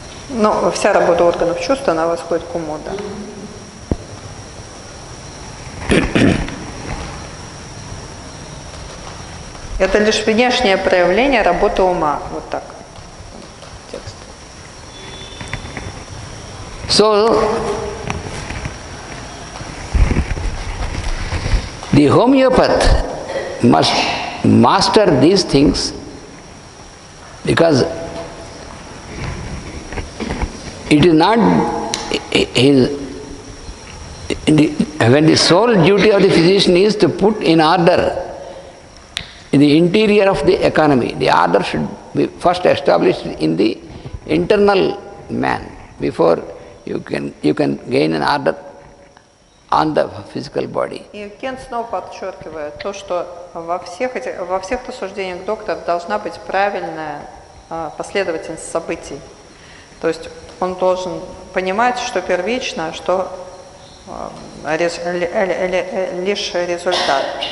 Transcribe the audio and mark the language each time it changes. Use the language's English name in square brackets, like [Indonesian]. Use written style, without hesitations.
[Russian] Но вся работа органов чувств, она восходит к уму, да. Это лишь внешнее проявление работы ума. Вот так. Текст. [English] So, the homeopath must master these things because it is not his, when the sole duty of the physician is to put in order the interior of the economy, the order should be first established in the internal man before you can gain an order on the physical body. [Russian] И Кент снова подчеркивает то, что во всех рассуждениях доктора должна быть правильная последовательность событий. То есть он должен понимать, что первично, что лишь результат.